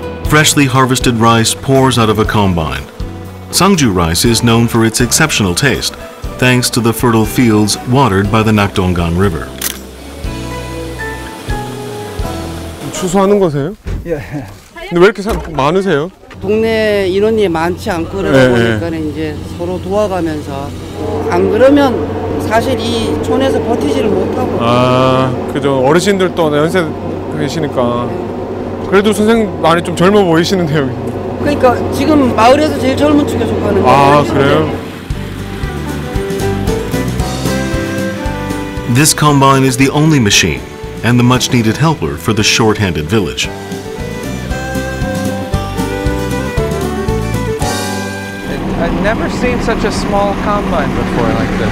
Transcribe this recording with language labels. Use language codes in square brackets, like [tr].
[en] Freshly harvested rice pours out of a combine. Sanju rice is known for its exceptional taste, thanks to the fertile fields watered by the Nakdonggang River. [ko] 추수하는 거세요? 예. 근데 왜 이렇게 많으세요? 동네 인원이 많지 않고 그러다 보니까 이제 서로 도와가면서 안 그러면 사실 이 촌에서 버티지를 못하고. 아, 그죠. 어르신들 또 연세 계시니까. 그래도 선생님 많이 좀 젊어 보이시는데요. 그러니까 지금 마을에서 제일 젊은 쪽에 속하는 거예요. 아, 그래요? [en] This combine is the only machine and the much needed helper for the short-handed village. 've seen such a small combine before like this.